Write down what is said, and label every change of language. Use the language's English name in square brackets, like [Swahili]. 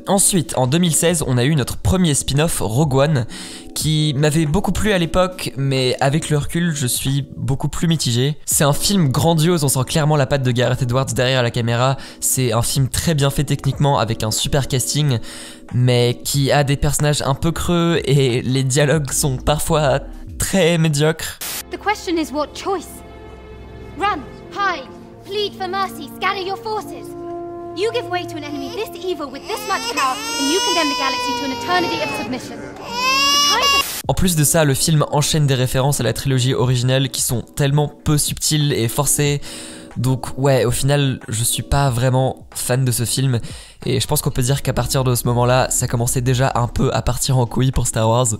[French] Ensuite, en 2016, on a eu notre premier spin-off, Rogue One, qui m'avait beaucoup plu à l'époque, mais avec le recul, je suis beaucoup plus mitigé. C'est un film grandiose, on sent clairement la patte de Gareth Edwards derrière la caméra. C'est un film très bien fait techniquement, avec un super casting, mais qui a des personnages un peu creux et les dialogues sont parfois très médiocres. [English] The question is what choice? Run, hide, plead for mercy, scatter your forces. You give way to an enemy this evil with this much power, and you condemn the galaxy to an eternity of submission. [French] En plus de ça, le film enchaîne des références à la trilogie originelle qui sont tellement peu subtiles et forcées. Donc ouais, au final, je suis pas vraiment fan de ce film. Et je pense qu'on peut dire qu'à partir de ce moment-là, ça commençait déjà un peu à partir en couille pour Star Wars.